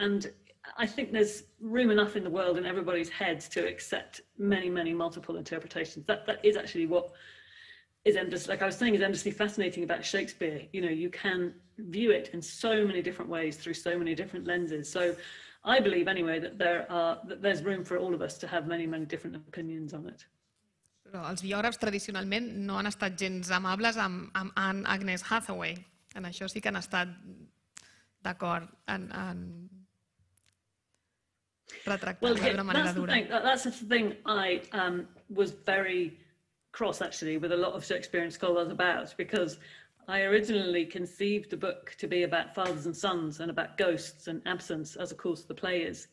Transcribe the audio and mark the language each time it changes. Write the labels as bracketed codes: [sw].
[en] And I think there's room enough in the world in everybody's heads to accept many, many multiple interpretations. That is actually what is endless, like I was saying, is endlessly fascinating about Shakespeare. You know, you can view it in so many different ways through so many different lenses. So I believe anyway that there's room for all of us to have many, many different opinions on it. [ca] Però els biògrafs tradicionalment no han estat gens amables amb Anne Agnes Hathaway. En això sí que han estat d'acord en [en] Well, that's the thing I was very cross, actually, with a lot of Shakespearean scholars about, because I originally conceived the book to be about fathers and sons and about ghosts and absence, as of course the play is.